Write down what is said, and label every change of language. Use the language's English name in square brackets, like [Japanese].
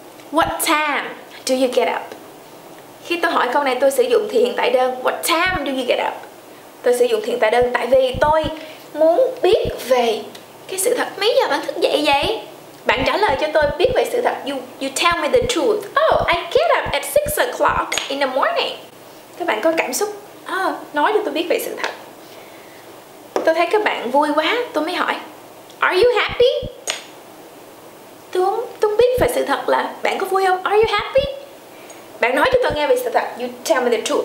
[English] What time do you get up? [Vietnamese] Khi tôi hỏi câu này tôi sử dụng thì hiện tại đơn. [English] What time do you get up? [Vietnamese] Tôi sử dụng hiện tại đơn tại vì tôi muốn biết về cái sự thật mấy giờ bạn thức dậy vậy. Bạn trả lời cho tôi biết về sự thật. [English] You tell me the truth. Oh, I get up at 6 o'clock in the morning. [Vietnamese] Các bạn có cảm xúc nói cho tôi biết về sự thật. Tôi thấy các bạn vui quá, tôi mới hỏi [English] are you happy? [Vietnamese] Tôi biết về sự thật là bạn có vui không? [English] Are you happy? [Vietnamese] Bạn nói cho tôi nghe về sự thật. [English] You tell me the truth.